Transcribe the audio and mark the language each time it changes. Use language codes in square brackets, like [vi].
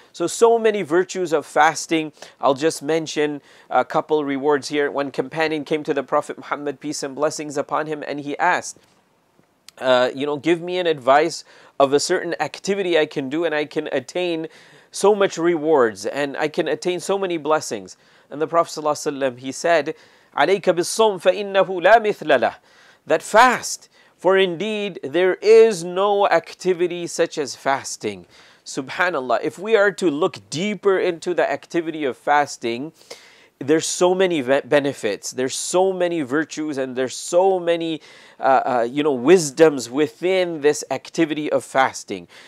[en] So many virtues of fasting. I'll just mention a couple rewards here. One companion came to the Prophet Muhammad, peace and blessings upon him, and he asked, give me an advice of a certain activity I can do and I can attain so much rewards and I can attain so many blessings. And the Prophet ﷺ, he said, [ar] عَلَيْكَ بِالصَّوْمْ فَإِنَّهُ لَا مِثْلَ لَهُ. [en] That fast, for indeed there is no activity such as fasting. Subhanallah, if we are to look deeper into the activity of fasting, there's so many benefits, there's so many virtues, and there's so many wisdoms within this activity of fasting.